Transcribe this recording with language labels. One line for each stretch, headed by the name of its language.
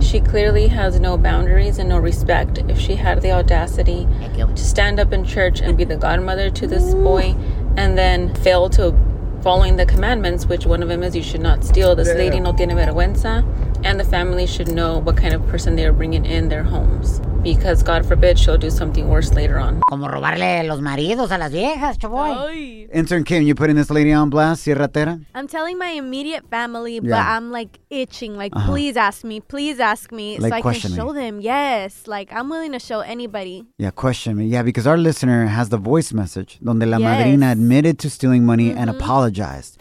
English: She clearly has no boundaries and no respect. If she had the audacity to stand up in church and be the godmother to this boy and then fail to following the commandments, which one of them is you should not steal, this lady no tiene vergüenza, and the family should know what kind of person they are bringing in their homes. Because, God forbid, she'll do something worse later on.
Spanish: Como robarle los maridos a las viejas, chavoy.
English: Intern Kim, you putting this lady on blast, Sierra Tera? I'm telling my immediate family, but I'm, like, itching. Like, please ask me. Please ask me. Like, so I question can show me. Them. Yes. Like, I'm willing to show anybody. Yeah, question me. Yeah, because our listener has the voice message donde la madrina admitted to stealing money and apologized.